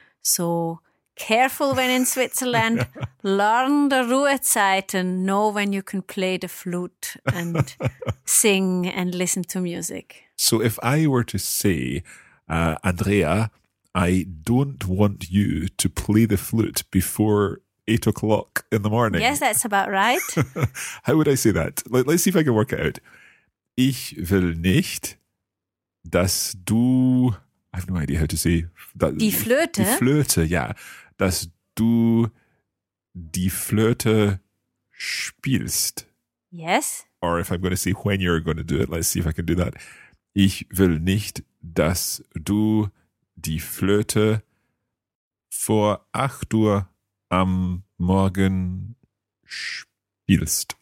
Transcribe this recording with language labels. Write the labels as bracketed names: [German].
[English] So careful when in Switzerland. Learn the Ruhezeit and know when you can play the flute and sing and listen to music. So if I were to say, Andrea, I don't want you to play the flute before 8 o'clock in the morning. Yes, that's about right. How would I say that? Let's see if I can work it out. [German] Ich will nicht, dass du, [English] I have no idea how to say that. [German] Die Flöte. Die Flöte, yeah. Dass du die Flöte spielst. [English] Yes. Or if I'm going to say when you're going to do it, let's see if I can do that. [German] Ich will nicht, dass du die Flöte vor 8 Uhr am Morgen spielst.